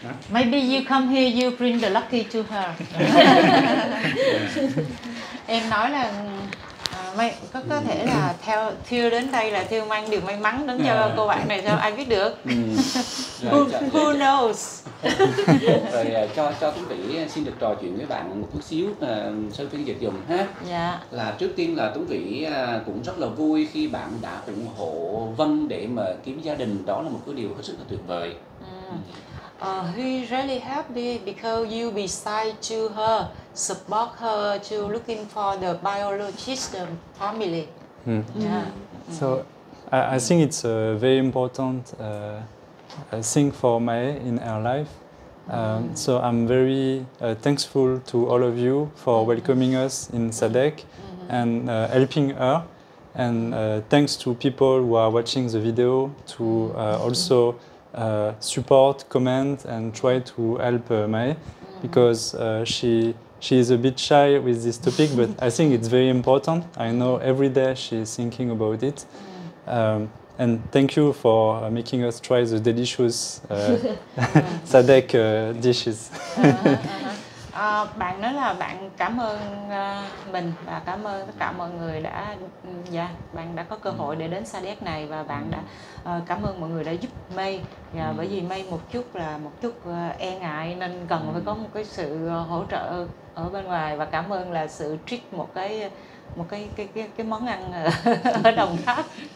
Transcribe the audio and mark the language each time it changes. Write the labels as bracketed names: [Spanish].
[English] Maybe you come here, you bring the lucky to her. [Vietnamese] Em nói là có thể là theo đến đây là theo mang điều may mắn đến cho cô bạn này sao? Ai biết được? [English] who knows? [Vietnamese] Rồi cho Tuấn Vĩ xin được trò chuyện với bạn một chút xíu, sơ phiên dịch dùng ha. Dạ. Là trước tiên là Tuấn Vĩ cũng rất là vui khi bạn đã ủng hộ Vân để mà kiếm gia đình, đó là một cái điều hết sức là tuyệt vời. [English] He really happy because you beside to her, support her to looking for the biologist family. Mm. Yeah. So I think it's a very important thing for Mae in her life. So I'm very thankful to all of you for welcoming us in SADC and helping her. And thanks to people who are watching the video to also support, comment, and try to help Mae, because she is a bit shy with this topic, but I think it's very important. I know every day she is thinking about it. And thank you for making us try the delicious SADC dishes. [Vietnamese] Bạn nói là bạn cảm ơn mình và cảm ơn tất cả mọi người đã bạn đã có cơ hội để đến SADC này, và bạn đã cảm ơn mọi người đã giúp Mae. Bởi vì Mae một chút e ngại nên cần phải có một cái sự hỗ trợ ở bên ngoài, và cảm ơn là sự treat một cái món ăn ở Đồng Tháp.